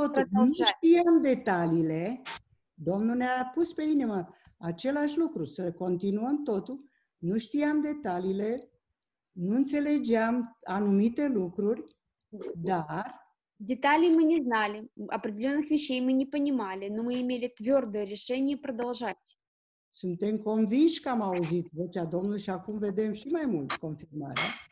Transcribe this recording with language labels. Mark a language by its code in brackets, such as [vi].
[ro] Nu știam detaliile, Domnul ne-a pus pe inimă același lucru, să continuăm totul. Nu știam detaliile, nu înțelegeam anumite lucruri, dar... [ru] Detalii мы не знали, определенных вещей мы не понимали, но мы имели твердое решение продолжать. [ro] Suntem convinși că am auzit vocea Domnului și acum vedem și mai mult confirmarea.